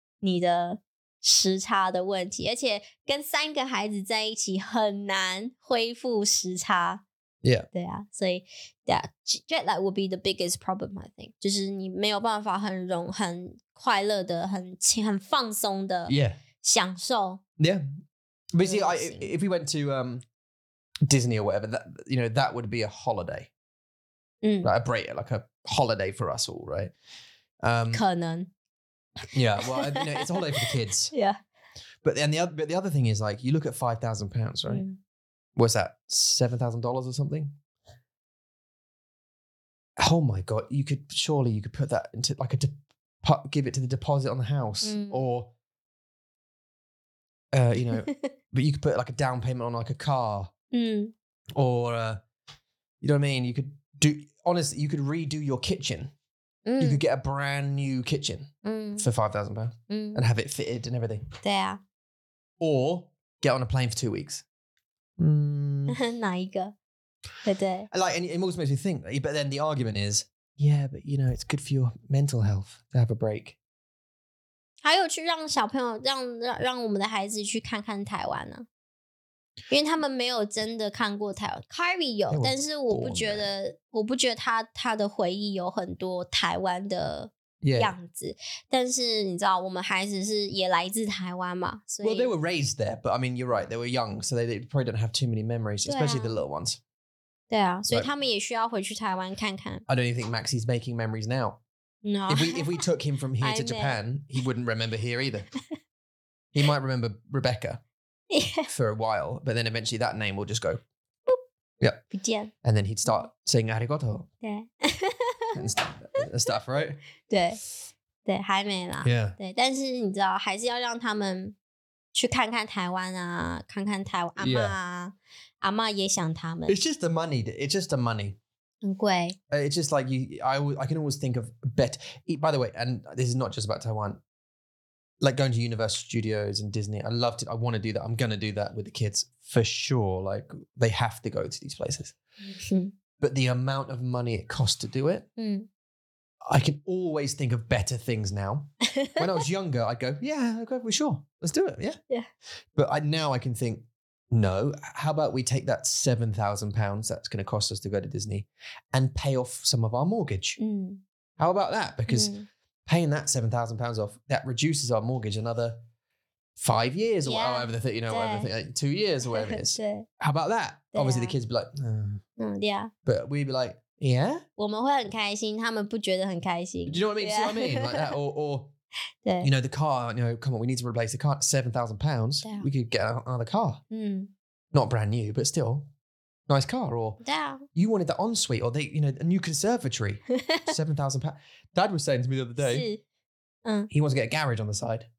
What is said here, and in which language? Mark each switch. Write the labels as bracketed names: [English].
[Chinese] 你需要很多很长的时间恢复你的时差的问题, 而且跟三个孩子在一起很难恢复时差. [English] Yeah. [Chinese] 对啊, 所以, [English] yeah, jet lag would be the biggest problem, I think. [Chinese] 就是你没有办法很容很 快乐的,很放松的, [English] yeah. [Chinese] 享受, [English] yeah. But see, if we went to Disney or whatever, that you know, that would be a holiday. Like a break, like a holiday for us all, right? [Chinese] 可能. [English] Yeah, well, you know, it's a holiday for the kids. Yeah. But then the other thing is like, you look at £5,000, right? What's that, $7,000 or something? Oh my God, surely you could put that into like a give it to the deposit on the house or, you know, but you could put like a down payment on like a car or, you know what I mean? You could do, honestly, you could redo your kitchen. You could get a brand new kitchen for £5,000 and have it fitted and everything. There. Or get on a plane for 2 weeks. [Chinese] 哪一个? [English] Like, and it almost makes me think, but then the argument is, yeah, but you know, it's good for your mental health to have a break. [Chinese] 还有去让小朋友让我们的孩子去看看台湾呢? 因为他们没有真的看过台湾 Carry 有但是我不觉得我不觉得他的回忆有很多台湾的样子、 [English] yeah. [Chinese] 但是你知道我们孩子是也来自台湾嘛所以 [English] Well they were raised there but I mean you're right they were young so they probably don't have too many memories、 [Chinese] 啊、 [English] especially the little ones [Chinese] 对啊所以他们也需要回去台湾看看 [English] I don't even think Maxie's making memories now No if we took him from here to Japan he wouldn't remember here either He might remember Rebecca Yeah. For a while, but then eventually that name will just go, boop. Yep. And then he'd start saying arigato. and stuff, right? [Chinese] 对, 对还没啦。 [English] Yeah. [Chinese] 对但是你知道还是要让他们去看看台湾啊看看台湾阿嬷啊、 [English] yeah. [Chinese] 阿嬷也想他们。 [English] It's just the money. It's just the money. [Chinese] 很贵。 [English] It's just like, I can always think of better. By the way, and this is not just about Taiwan. Like going to Universal Studios and Disney. I loved it. I want to do that. I'm going to do that with the kids for sure. Like they have to go to these places. But the amount of money it costs to do it, I can always think of better things now. When I was younger, I'd go, yeah, okay, we're sure. Let's do it. Yeah. Yeah. But now I can think, no, how about we take that £7,000 that's going to cost us to go to Disney and pay off some of our mortgage? How about that? Because... Paying that £7,000 off, that reduces our mortgage another 5 years or however the thing, you know, whatever the thing, like 2 years or whatever it is. How about that? Obviously, the kids be like, yeah. But we'd be like, yeah. [Chinese] 我们会很开心，他们不觉得很开心。 [English] Do you know what I mean? See what I mean? Like that, or you know, the car, you know, come on, we need to replace the car, £7,000. We could get another car. Not brand new, but still. Nice car, or you wanted the ensuite, or they, you know, a new conservatory, £7,000. Dad was saying to me the other day, he wants to get a garage on the side.